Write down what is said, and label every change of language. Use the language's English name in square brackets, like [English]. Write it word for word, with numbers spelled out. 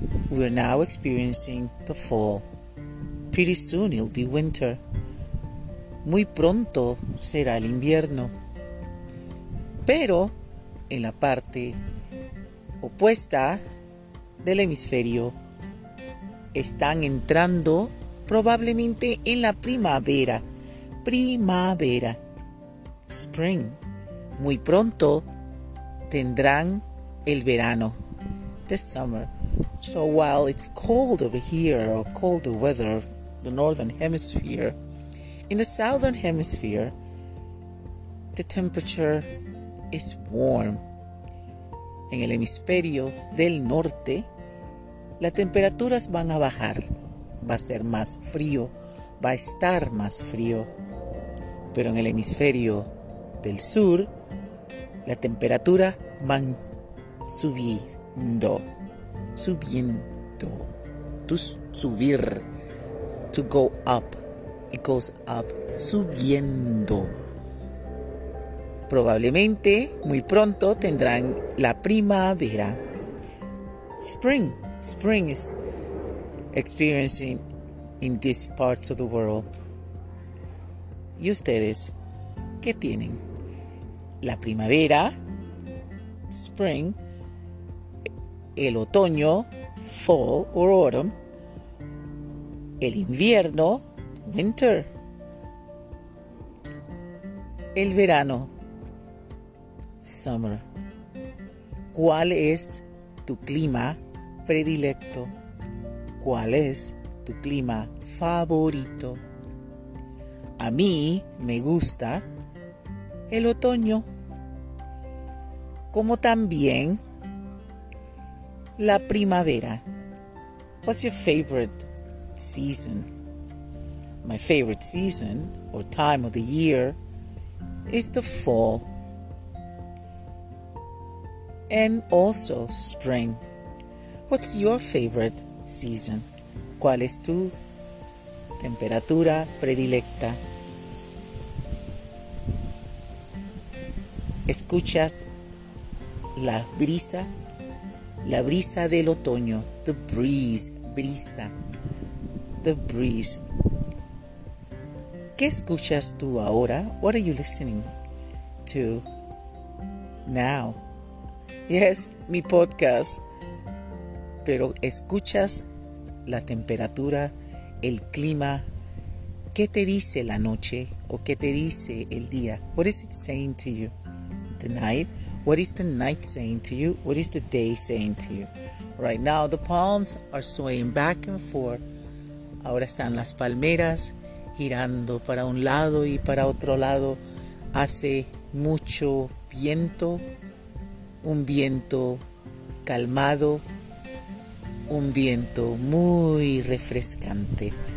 [English] We're now experiencing the fall. Pretty soon it'll be winter. [Spanish] Muy pronto será el invierno. Pero en la parte opuesta del hemisferio están entrando probablemente en la primavera. Primavera, spring. Muy pronto tendrán el verano, [English] this summer. So while it's cold over here, or colder weather, the northern hemisphere, in the southern hemisphere, the temperature is warm. [Spanish] En el hemisferio del norte, las temperaturas van a bajar. Va a ser más frío, va a estar más frío. Pero en el hemisferio del sur, la temperatura va subiendo, subiendo, to subir, [English] to go up, it goes up, [Spanish] subiendo. Probablemente muy pronto tendrán la primavera. [English] Spring, spring is experiencing in these parts of the world. [Spanish] ¿Y ustedes qué tienen? La primavera, spring, el otoño, [English] fall or autumn, [Spanish] el invierno, winter, el verano, summer. ¿Cuál es tu clima predilecto? ¿Cuál es tu clima favorito? A mí me gusta el otoño, como también La primavera. [English] What's your favorite season? My favorite season or time of the year is the fall and also spring. What's your favorite season? [Spanish] ¿Cuál es tu temperatura predilecta? Escuchas la brisa, la brisa del otoño, [English] the breeze, [Spanish] brisa, the breeze. ¿Qué escuchas tú ahora? [English] What are you listening to now? [Spanish] Yes, mi podcast, pero escuchas la temperatura, el clima. ¿Qué te dice la noche o qué te dice el día? [English] What is it saying to you? The night. What is the night saying to you? What is the day saying to you? Right now the palms are swaying back and forth. [Spanish] Ahora están las palmeras girando para un lado y para otro lado. Hace mucho viento, un viento calmado, un viento muy refrescante.